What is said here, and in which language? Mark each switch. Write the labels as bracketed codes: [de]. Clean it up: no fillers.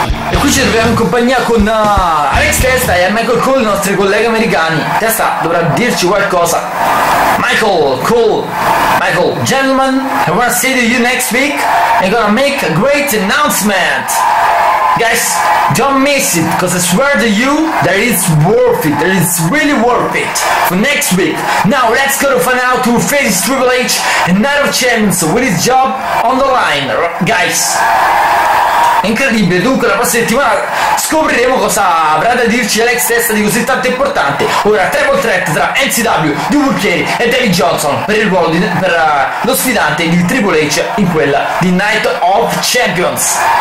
[it] E qui ci troviamo in compagnia con Alex Testa e Michael Cole, i nostri colleghi americani. Testa dovrà dirci qualcosa. [en] Michael Cole, Michael, gentlemen, I wanna see you next week. I'm gonna make a great announcement. Guys, don't miss it, because I swear to you that it's worth it, that it's really worth it for next week. Now let's go to find out who faces Triple H and Night of Champions with his job on the line, guys. [it] Incredibile, dunque la prossima settimana scopriremo cosa avrà da dirci Alex Testa di così tanto importante. Ora triple threat tra NCW, Du Burchieri e David Johnson per il ruolo di, per lo sfidante di Triple H in quella di Night of Champions.